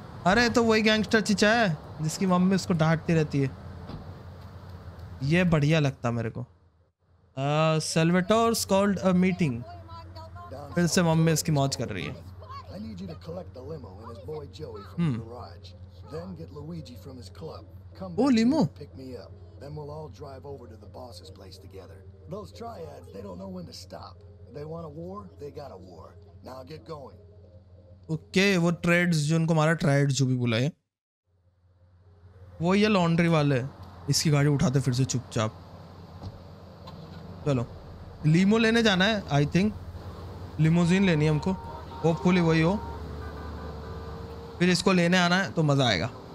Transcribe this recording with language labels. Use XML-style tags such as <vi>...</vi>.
<hi>अरे तो वही गैंगस्टर चिचा है जिसकी मम्मी उसको डांटती रहती है, ये बढ़िया लगता मेरे को। सेल्वेटोर्स</hi> <en>called a meeting,</en> <hi>फिर से मम्मी उसकी मौज कर रही है।</hi> <en>I need you to collect the limo and his boy Joey from the garage. Then get Luigi from his club. Come back limo. And pick me up. Then we'll all drive over to the boss's place together. Those triads, they don't know when to stop. They want a war, they got a war. Now get going.</en> <hi>Okay, वो trades जो उनको मारा, trades जो भी बुलाए, वो ये laundry वाले इसकी गाड़ी उठाते फिर से चुपचाप। चलो लीमो लेने जाना है,</hi> <en>I think</en> <hi>लिमोजीन लेनी है हमको, होपफुली वही हो, फिर इसको लेने आना है तो मज़ा आएगा।</hi>